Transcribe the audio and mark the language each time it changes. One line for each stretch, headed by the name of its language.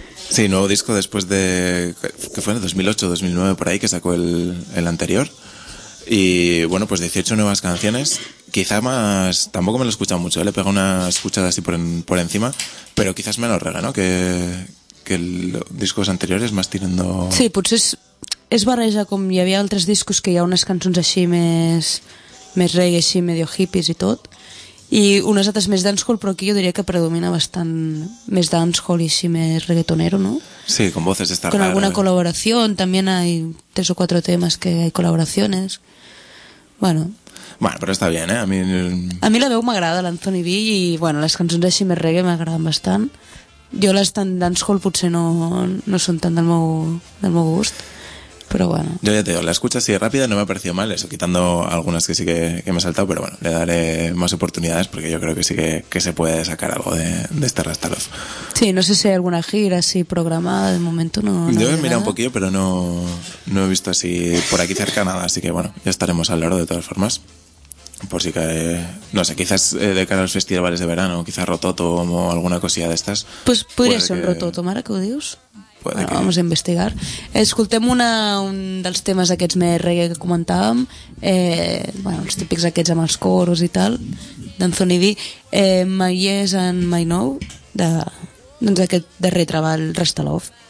Spanish: Sí, nuevo disco después de... que fue en 2008 o 2009, por ahí, que sacó el anterior. Y, bueno, pues 18 nuevas canciones. Quizá más... tampoco me lo he escuchado mucho, ¿eh? Le pego una escuchada así por encima, pero quizás menos rara, ¿no? Que los discos anteriores, más tirando...
Catalan: Sí, potser es barreja, com hi havia altres discos que hi ha unes cançons així més reggae, així medio hippies i tot, i unes altres més dancehall, però aquí jo diria que predomina bastant més dancehall i així més reggaetonero, no?
Spanish: Sí, con voces está raro. Con alguna col·laboració, también hay tres o cuatro temas que hay colaboraciones. Bueno. Bueno, pero está bien, ¿eh? A mí
Catalan: la veu m'agrada, l'Anthony B, i, bueno, les cançons així més reggae m'agraden bastant. Jo les tan dancehall potser no són tan del meu gust.
Spanish: Pero bueno. Yo ya te digo, la escucha así rápida no me ha parecido mal, eso, quitando algunas que sí que me he saltado, pero bueno, le daré más oportunidades porque yo creo que sí que se puede sacar algo de este Rastalov. Sí, no sé si hay alguna gira así programada, de momento no. Yo he mirado un poquillo, pero no he visto así por aquí cerca nada, así que bueno, ya estaremos al loro de todas formas. Por si cae, no sé, quizás de cara a los festivales de verano, quizás Rototo o alguna cosilla de estas. Pues podría ser un Rototo,
Catalan: ara que ho dius.
Spanish: Bueno, que... vamos a investigar.
Catalan: Escoltem un dels temes aquests més reggae que comentàvem, bueno, els típics aquests amb els coros i tal, d'Anthony D, My Yes and My No, doncs aquest darrer treball Rastalov.